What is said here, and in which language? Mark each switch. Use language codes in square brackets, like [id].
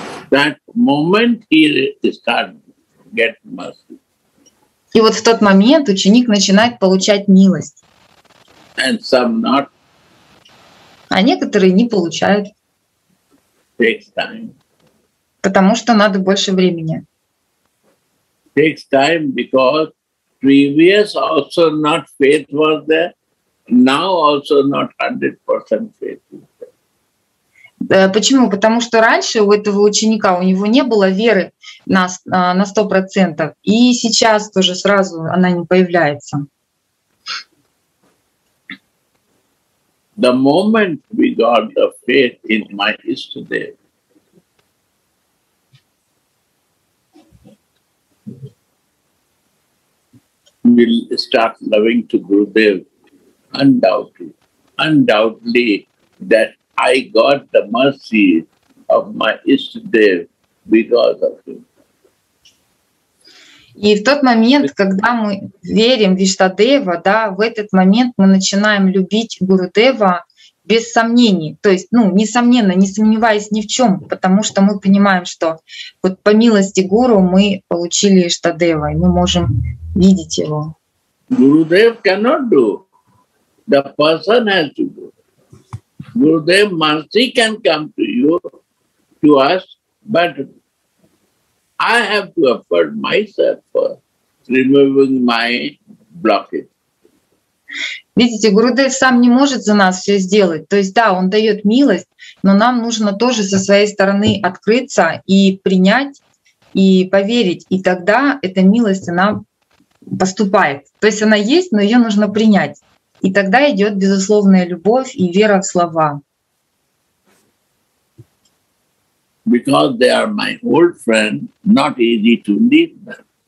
[en] That moment he starts get mercy. [ru] И вот в тот момент ученик начинает получать милость. [en] And some not. [ru] А некоторые не получают. [en] Takes time. [ru] Потому что надо больше времени. [en] Takes time because previous also not faith was there, now also not 100% faith is there. [ru] Почему? Потому что раньше у этого ученика у него не было веры на 100%, и сейчас тоже сразу она не появляется. [en] The moment we got the faith in my yesterday. Will start loving to Gurudev, undoubtedly that I got the mercy of my Ishtadev because of him. [ru] И в тот момент, когда мы верим в Иштадева, да, в этот момент мы начинаем любить Гурудева без сомнений, то есть, ну, несомненно, не сомневаясь ни в чем, потому что мы понимаем, что вот по милости Гуру мы получили Иштадева, и мы можем видеть его. [en] Gurudev cannot do. The person has to do. Gurudev mercy can come to you, to us, but I have to effort myself for removing my blockage. [ru] Видите, Гурудев сам не может за нас все сделать. То есть, да, он дает милость, но нам нужно тоже со своей стороны открыться и принять, и поверить. И тогда эта милость, она поступает. То есть она есть, но ее нужно принять. И тогда идет безусловная любовь и вера в слова. [en] Because they are my old friend, not easy to leave them.